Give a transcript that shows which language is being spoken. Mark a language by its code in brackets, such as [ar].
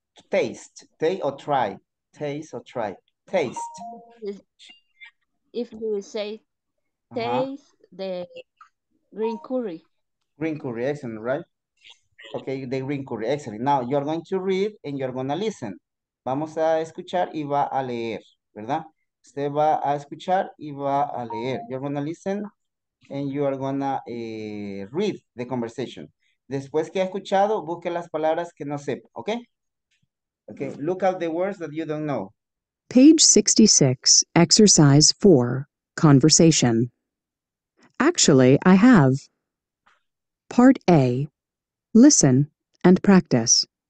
[en] Taste, taste or try, taste or try, taste. If you say taste the green curry. Green curry, excellent, right? Okay, the green curry, excellent. Now you're going to read and you're going to listen. [es] Vamos a escuchar y va a leer, ¿verdad? Usted va a escuchar y va a leer. [en] You're going to listen and you are going to read the conversation. [es] Después que ha escuchado, busque las palabras que no sepa, ¿ok? [en] Ok, look out the words that you don't know. Page 66, exercise 4, conversation. Actually, I have. Part A, listen and practice.